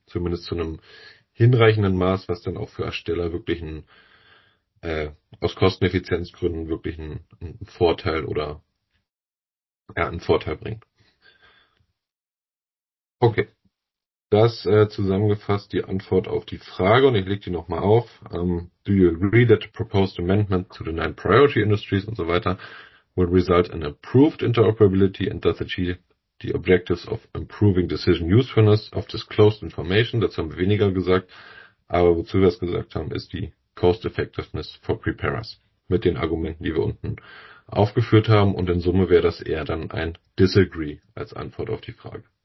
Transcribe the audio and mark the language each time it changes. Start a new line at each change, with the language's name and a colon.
German: Zumindest zu einem hinreichenden Maß, was dann auch für Ersteller wirklich ein, aus Kosteneffizienzgründen wirklich ein Vorteil oder einen Vorteil bringt. Okay, das zusammengefasst die Antwort auf die Frage und ich lege die nochmal auf.
English: Do you agree that the proposed amendment to the 9 priority industries und so weiter will result in improved interoperability and thus achieve the objectives of improving decision usefulness of disclosed information?
German: Dazu haben wir weniger gesagt, aber wozu wir es gesagt haben, ist die cost effectiveness for preparers mit den Argumenten, die wir unten aufgeführt haben und in Summe wäre das eher dann ein disagree als Antwort auf die Frage.